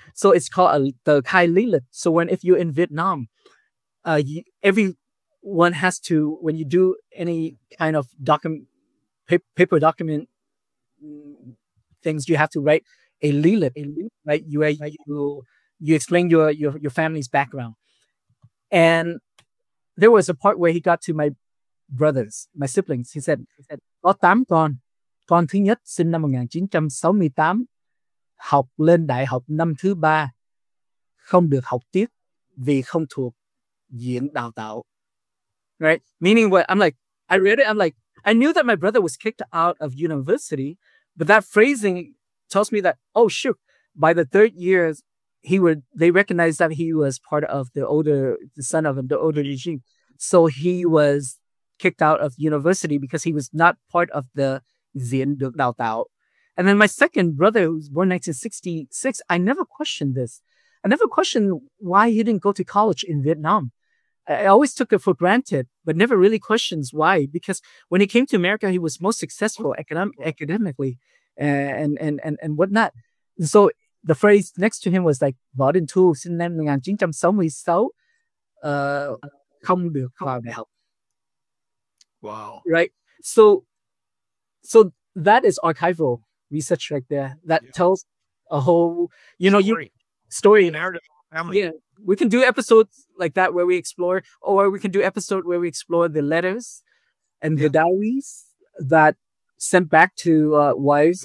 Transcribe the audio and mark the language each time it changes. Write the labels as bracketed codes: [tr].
[en] So it's called the Khai Li Lịch. So when if you're in Vietnam, everyone has to, when you do any kind of paper document things, you have to write a Li Lịch, right? You explain your family's background. And there was a part where he got to my brothers, my siblings. He said, [vi] "Có tám con. Con thứ nhất sinh năm 1968, học lên đại học năm thứ ba, không được học tiếp vì không thuộc diện đào tạo." [en] Right? Meaning what? I'm like, I read it. I'm like, I knew that my brother was kicked out of university, but that phrasing tells me that, oh, shoot, by the third year, they recognized that he was part of the older regime. So he was kicked out of university because he was not part of the [vi] Diễn được đào tạo. [en] And then my second brother, who was born 1966, I never questioned this. I never questioned why he didn't go to college in Vietnam. I always took it for granted, but never really questions why. Because when he came to America, he was most successful academically and whatnot. And so the phrase next to him was like, [vi] Võ Đình Thu sinh năm 1966, không được vào đại học. [en] Wow. Right? So that is archival research right there that tells a whole, you know, story. Narrative of family. Yeah, we can do episodes like that where we explore, or we can do episode where we explore the letters and the diaries that sent back to wives.